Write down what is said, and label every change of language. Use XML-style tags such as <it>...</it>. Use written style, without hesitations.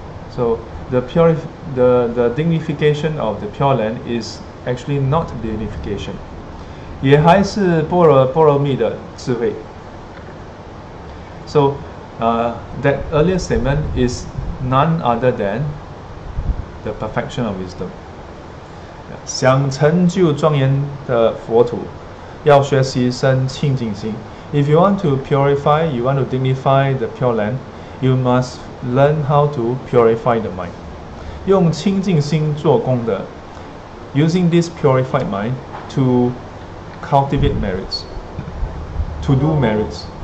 <en>So the dignification of the pure land is actually not dignification.</en> <zh>也还是般若蜜的智慧。</zh> <en>So,that earlier statement is none other than the perfection of wisdom.</en> <zh>想成就庄严的佛土，要学习生清净心。</zh> <en>If you want to purify, you want to dignify the pure land, you must learn how to purify the mind.</en> <zh>用清净心做功德，</zh> <en>using this purified mind to cultivate merits, to do merits.</en>